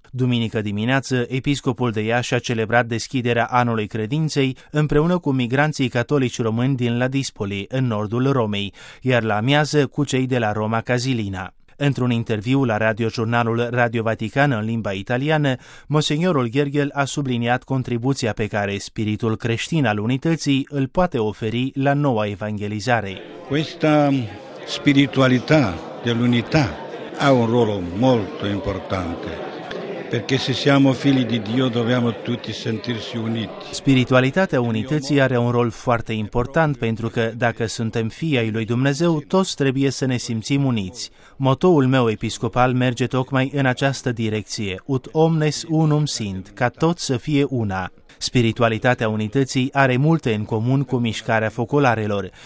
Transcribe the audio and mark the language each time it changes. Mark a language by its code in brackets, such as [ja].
[ro] Duminică dimineață, episcopul de Iași a celebrat deschiderea anului credinței împreună cu migranții catolici români din Ladispoli, în nordul Romei, iar la amiază cu cei de la Roma Casilina. Într-un interviu la radiojurnalul Radio Vatican în limba italiană, monseniorul Gheorghel a subliniat contribuția pe care spiritul creștin al unității îl poate oferi la noua evanghelizare. [it] Questa spiritualità dell'unità ha un ruolo molto importante. Perché se siamo figli di Dio dobbiamo tutti sentirsi uniti. [ro] Spiritualitatea unității are un rol foarte important pentru că dacă suntem fii ai lui Dumnezeu, toți trebuie să ne simțim uniți. Motoul meu episcopal merge tocmai în această direcție, [la] ut omnes unum sint, [ro] ca toți să fie una. Spiritualitatea unității are multe în comun cu mișcarea focolarelor.